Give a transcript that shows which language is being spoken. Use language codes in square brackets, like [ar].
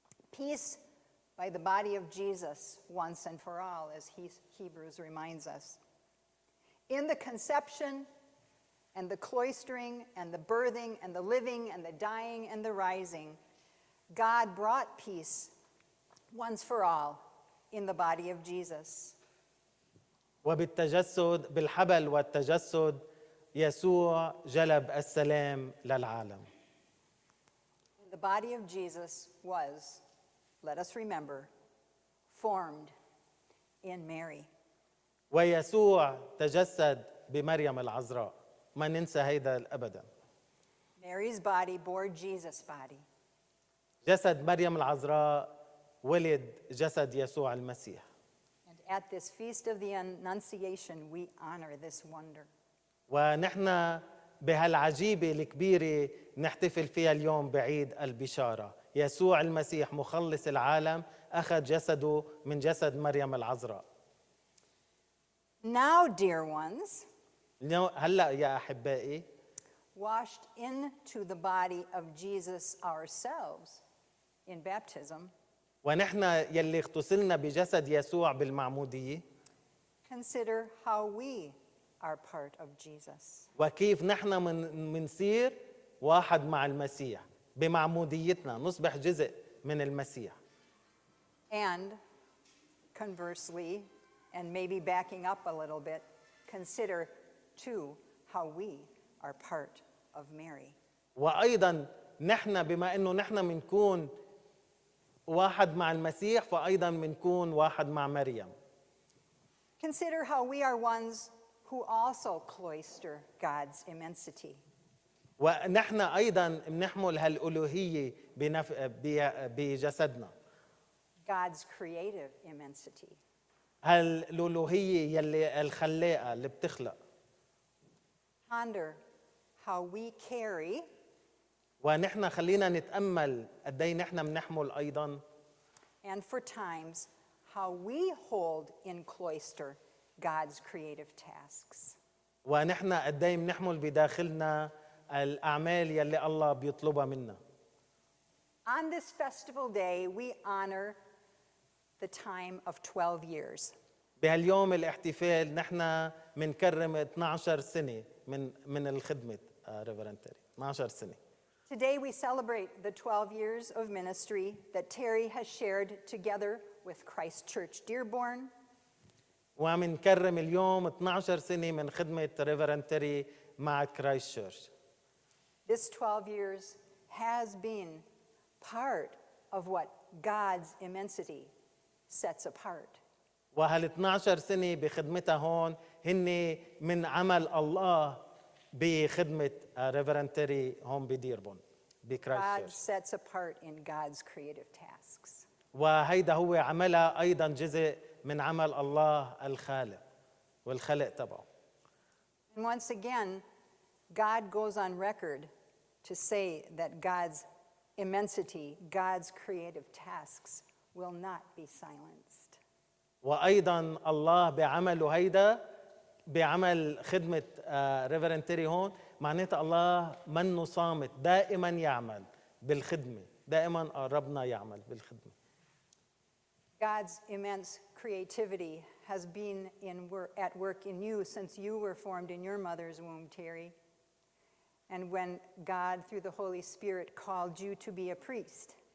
[en] Peace by the body of Jesus once and for all, as Hebrews reminds us. In the conception and the cloistering and the birthing and the living and the dying and the rising, God brought peace once for all in the body of Jesus. [ar] وبالتجسد بالحبل والتجسد يسوع جلب السلام للعالم. [en] And the body of Jesus was, let us remember, formed in Mary. [ar] ويسوع تجسد بمريم العذراء. ما ننسى هيدا أبدا. [en] Mary's body bore Jesus' body. [ar] جسد مريم العذراء ولد جسد يسوع المسيح. [en] And at this feast of the Annunciation, we honor this wonder. [ar] ونحن بهالعجيبة الكبيرة نحتفل فيها اليوم بعيد البشارة. يسوع المسيح مخلص العالم أخذ جسده من جسد مريم العذراء. [en] Now, dear ones, [ar] هلأ يا أحبائي, [en] washed into the body of Jesus ourselves in baptism, [ar] ونحن يلي اغتسلنا بجسد يسوع بالمعمودية, [en] consider how we are part of Jesus. [ar] وكيف نحن منصير واحد مع المسيح. بمعموديتنا نصبح جزء من المسيح. [en] And conversely, and maybe backing up a little bit, consider too how we are part of Mary. [ar] وأيضا نحن بما إنه نحن منكون واحد مع المسيح فأيضا منكون واحد مع مريم. [en] Consider how we are ones who also cloister God's immensity. [ar] ونحن أيضا بنحمل هالألوهية بجسدنا. [en] God's creative immensity. [ar] هالألوهية يلي الخلاقة اللي بتخلق. [en] Ponder how we carry. [ar] ونحن خلينا نتأمل قدي نحن بنحمل أيضا. [en] And for times how we hold in cloister God's creative tasks. [ar] ونحن قدي بنحمل بداخلنا الأعمال يلي الله بيطلبها منا. [en] On this festival day we honor the time of 12 years. [ar] بهاليوم الاحتفال نحن منكرم 12 سنة من الخدمة ريفرنت تيري 12 سنة. [en] Today we celebrate the 12 years of ministry that Terry has shared together with Christ Church Dearborn. [ar] ومنكرم اليوم 12 سنة من خدمة ريفرنت تيري مع كرايست تشيرش. [en] This 12 years has been part of what God's immensity sets apart. [ar] وهال 12 سنة بخدمتها هون هن من عمل الله بخدمة ريفرنت تيري هون بديربون بكرايست تشيرش. [en] God sets apart in God's creative tasks. [ar] وهيدا هو عملها أيضا جزء من عمل الله الخالق والخلق تبعه. [en] And once again, God goes on record to say that God's immensity, God's creative tasks will not be silenced. [ar] وأيضا الله بعمله هيدا بعمل خدمة ريفرنت تيري هون معناته الله منه صامت دائما يعمل بالخدمة دائما ربنا يعمل بالخدمة. [en] God's immense creativity has been at work in you since you were formed in your mother's womb, Terry. And when God, through the Holy Spirit, called you to be a priest.